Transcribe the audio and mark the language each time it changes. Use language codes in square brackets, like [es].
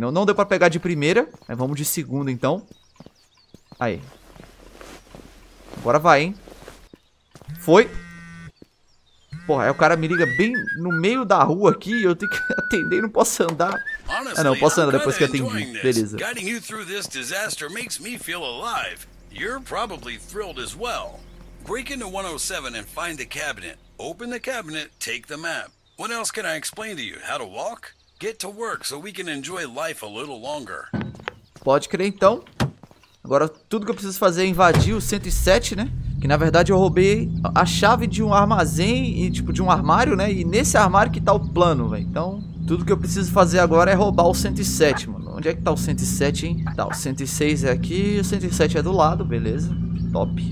[pt] Não deu pra pegar de primeira. Mas vamos de segunda então. Aí. Agora vai, hein? Foi. Porra, aí o cara me liga bem no meio da rua aqui. Eu tenho que atender e não posso andar. Ah, não. Posso andar depois que atendi. Beleza. [en] Guiding you through this disaster makes me feel alive. You're probably thrilled as well. Break into 107 and find the cabinet. Open the cabinet, take the map. What else can I explain to you? How to walk? Get to work so we can enjoy life a little longer. [pt] Pode crer, então. Agora, tudo que eu preciso fazer é invadir o 107, né? Que, na verdade, eu roubei a chave de um armazém e, tipo, de um armário, né? E nesse armário que tá o plano, velho. Então, tudo que eu preciso fazer agora é roubar o 107, mano. Onde é que tá o 107, hein? Tá, o 106 é aqui e o 107 é do lado, beleza. Top.